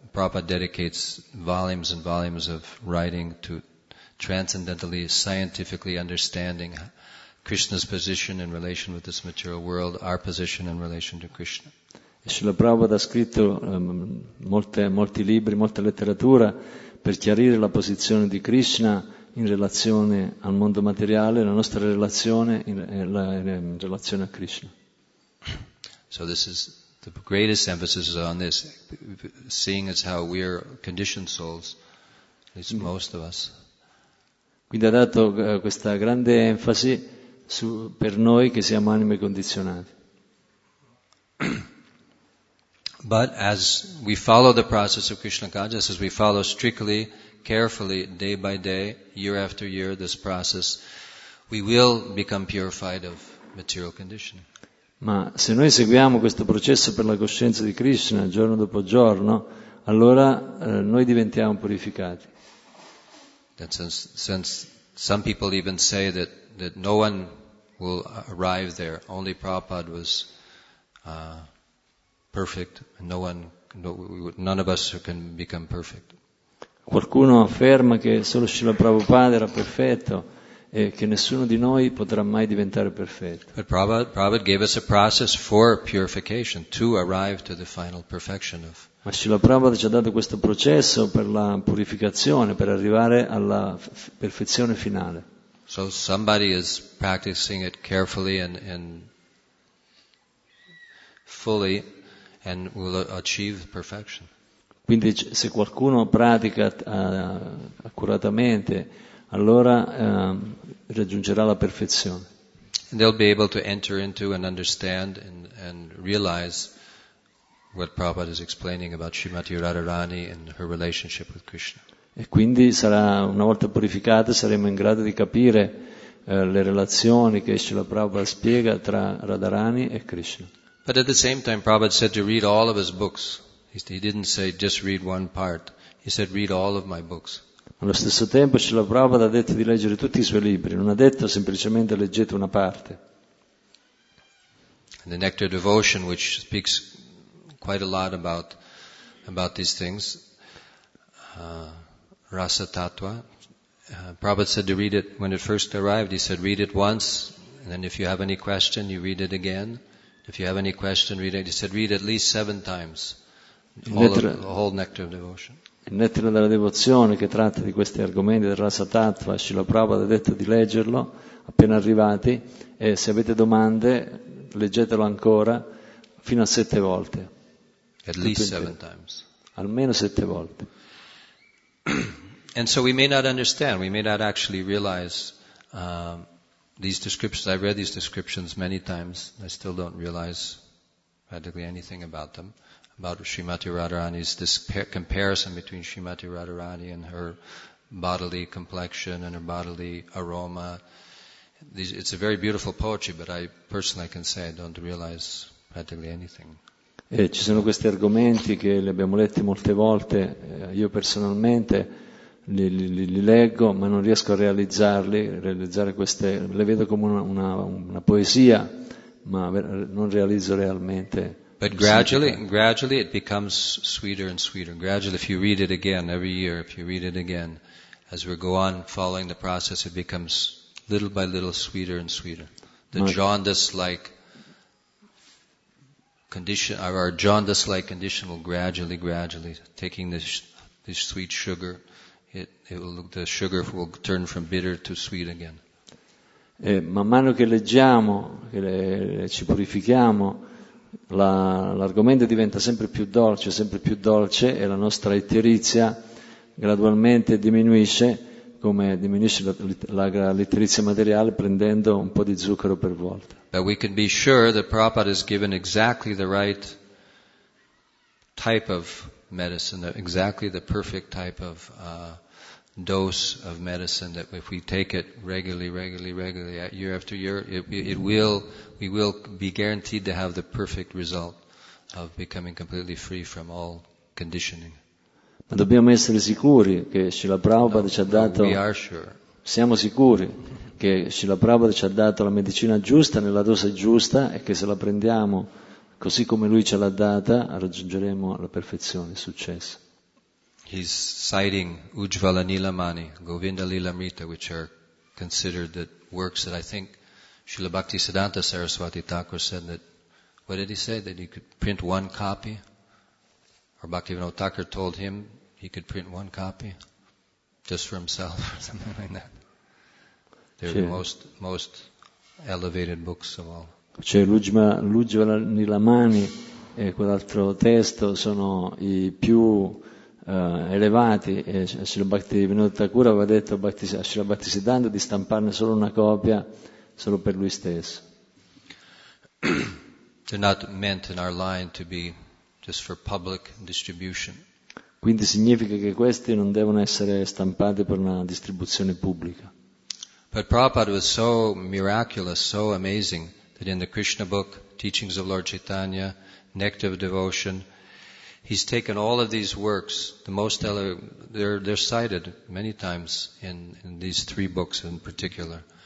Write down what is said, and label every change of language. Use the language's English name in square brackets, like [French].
[English] Prabhupada dedicates volumes and volumes of writing to transcendentally scientifically understanding Krishna's position in relation with this material world, our position in relation to Krishna. [Italian] Srila Prabhupada ha scritto molti libri, molta letteratura per chiarire la posizione di Krishna in relazione al mondo materiale, la nostra relazione in relazione a Krishna. [English] So this is the greatest emphasis is on this, seeing as how we are conditioned souls, at least most of us. [Italian] Quindi ha dato questa grande enfasi per noi che siamo anime condizionate. [English] But as we follow the process of Krishna consciousness, as we follow strictly, carefully, day by day, year after year, this process, we will become purified of material conditioning. [Italian] Ma se noi seguiamo questo processo per la coscienza di Krishna giorno dopo giorno, allora noi diventiamo purificati. [English] Since some people even say that no one will arrive there, only Prabhupada was perfect, none of us can become perfect. [Italian] Qualcuno afferma che solo Srila Prabhupada era perfetto e che nessuno di noi potrà mai diventare perfetto. [English] But Prabhupada gave us a process for purification to arrive to the final perfection of. [Italian] Ma Srila Prabhupada ci ha dato questo processo per la purificazione, per arrivare alla perfezione finale. [English] So somebody is practicing it carefully and fully and will achieve perfection. [Italian] Quindi se qualcuno pratica accuratamente, allora raggiungerà la perfezione. [English] And they'll be able to enter into and understand and realize what Prabhupada is explaining about Srimati Radharani and her relationship with Krishna. [Italian] E quindi sarà, una volta purificate, saremo in grado di capire le relazioni che Srila Prabhupada spiega tra Radharani e Krishna. [English] But at the same time Prabhupada said to read all of his books. He didn't say just read one part. He said read all of my books. [Italian] Allo stesso tempo Srila Prabhupada ha detto di leggere tutti i suoi libri, non ha detto semplicemente leggete una parte. [English] And the Nectar Devotion, which speaks quite a lot about these things, Rasa Tattva, Prabhupada said to read it when it first arrived. He said read it once, and then if you have any question, you read it again. If you have any question, read it. He said read at least 7 times. [Italian] Il Nettara della Devozione, che tratta di questi argomenti del Rasa Tattva, Srila Prabhupada ha detto di leggerlo appena arrivati, e se avete domande leggetelo ancora fino a 7 volte. [English] At least 7 times. [Italian] Almeno 7 volte. [English] And so we may not understand, we may not actually realize these descriptions. I've read these descriptions many times, I still don't realize practically anything about them. About Srimati Radharani's this comparison between Srimati Radharani and her bodily complexion and her bodily aroma. It's a very beautiful poetry, but I personally can say I don't realize practically anything. [Italian] Ci sono questi argomenti che li abbiamo letti molte volte. Io personalmente li leggo, ma non riesco a realizzarli. Realizzare queste, le vedo come una poesia, ma non realizzo realmente. [English] But gradually it becomes sweeter and sweeter. Gradually, if you read it again every year, if you read it again, as we go on following the process, it becomes little by little sweeter and sweeter. The jaundice-like condition, or our jaundice-like condition, will gradually, taking this sweet sugar, the sugar will turn from bitter to sweet again. [Italian] Man mano che leggiamo, ci purifichiamo, l'argomento diventa sempre più dolce, e la nostra itterizia gradualmente diminuisce, come diminuisce l'itterizia materiale prendendo un po' di zucchero per volta. [English] But we can be sure that Prabhupada has given exactly the right type of medicine, exactly the perfect type of dose of medicine, that if we take it regularly, year after year, we will be guaranteed to have the perfect result of becoming completely free from all conditioning. [Italian] Ma dobbiamo essere sicuri che Srila Prabhupada ci ha dato. [English] We are sure. [Italian] Siamo sicuri che Srila Prabhupada ci ha dato la medicina giusta nella dose giusta, e che se la prendiamo così come lui ce l'ha data, raggiungeremo la perfezione, il successo. [English] He's citing Ujjvala Nilamani, Govinda Lilamrita, which are considered the works that I think Srila Bhakti Siddhanta Saraswati Thakur said that, what did he say? That he could print one copy? Or Bhaktivinoda Thakur told him he could print one copy just for himself or something like that. They're the most elevated books of all. [Italian] C'è l'Ujjvala Nilamani e quell'altro testo sono i più elevati, e Srila Bhaktivinoda Thakura aveva detto a Srila Bhaktisiddhanta di stamparne solo una copia solo per lui stesso. [English] They're not meant in our line to be just for public distribution. [Italian] Quindi significa che questi non devono essere stampati per una distribuzione pubblica. [English] But Prabhupada was so miraculous, so amazing, that in the Krishna book, Teachings of Lord Chaitanya, Nectar of Devotion, he's taken all of these works, the most they're cited many times in these 3 books in particular,